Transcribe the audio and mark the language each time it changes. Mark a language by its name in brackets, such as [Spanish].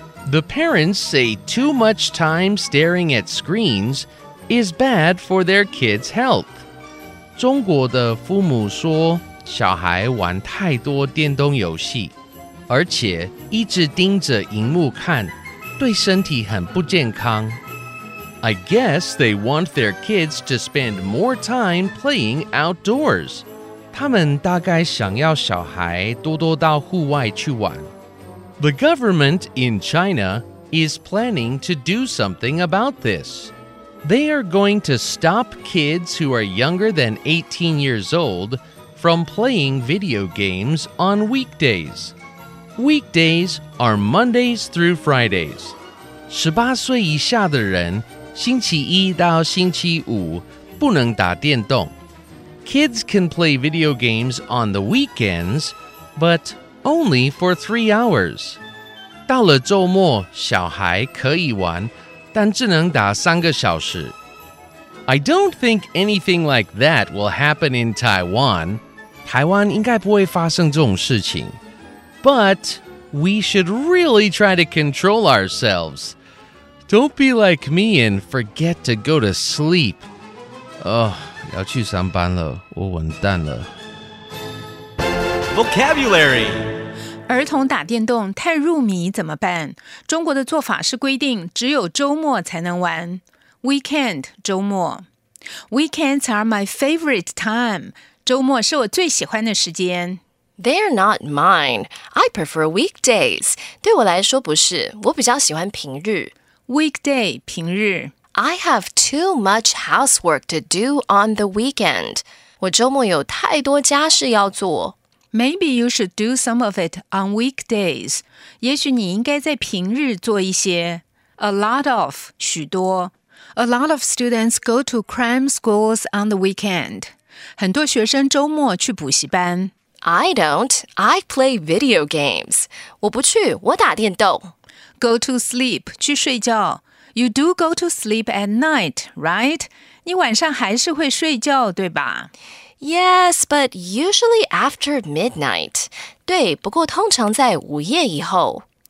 [English] The parents say too much time staring at screens is bad for their kids' health. [Chinese] 中国的父母说小孩玩太多电动游戏，而且一直盯着荧幕看对身体很不健康。 [English] I guess they want their kids to spend more time playing outdoors. [Chinese] 他们大概想要小孩多多到户外去玩。 [English] The government in China is planning to do something about this. They are going to stop kids who are younger than 18 years old from playing video games on weekdays. Weekdays are Mondays through Fridays. [Chinese] 18岁以下的人星期一到星期五不能打电动。 [English] Kids can play video games on the weekends, but only for 3 hours. [Chinese] 到了周末小孩可以玩但只能打三个小时。 [English] I don't think anything like that will happen in Taiwan. [Chinese] 台湾应该不会发生这种事情。 [English] But we should really try to control ourselves. Don't be like me and forget to go to sleep. [Chinese] Oh, 要去上班了，我完蛋了。 [English] Vocabulary. [Chinese] 儿童打电动太入迷怎么办？中国的做法是规定只有周末才能玩。 [English] Weekend, 周末。Weekends are my favorite time. [Chinese] 周末是我最喜欢的时间。 [English] They're not mine. I prefer weekdays. [Chinese] 对我来说不是，我比较喜欢平日。 [English] Weekday, 平日。 I have too much housework to do on the weekend. [Chinese] 我周末有太多家事要做。 [English] Maybe you should do some of it on weekdays. [Chinese] 也许你应该在平日做一些。 [English] A lot of, 许多。A lot of students go to cram schools on the weekend. [Chinese] 很多学生周末去补习班。 [English] I don't. I play video games. [Chinese] 我不去，我打电动。 [English] Go to sleep, [Chinese] 去睡觉。 [English] You do go to sleep at night, right? [Chinese] 你晚上还是会睡觉，对吧？ [English] Yes, but usually after midnight. [Chinese] 对，不过通常在午夜以后。